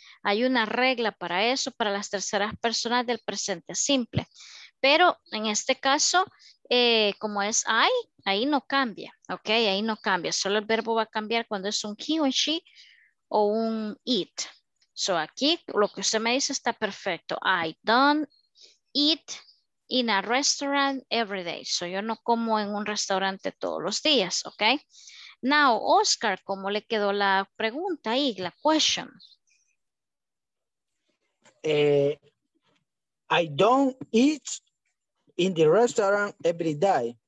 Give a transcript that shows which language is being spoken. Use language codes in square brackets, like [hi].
[es] Hay una regla para eso, para las terceras personas del presente simple. Pero en este caso, como es I, ahí no cambia, ¿ok? Ahí no cambia. Solo el verbo va a cambiar cuando es un he, un she o un it. So aquí lo que usted me dice está perfecto. [en] I don't eat in a restaurant every day. [es] So yo no como en un restaurante todos los días, ¿ok? Now, Oscar, ¿cómo le quedó la pregunta ahí, la question? [en] I don't eat in the restaurant every day.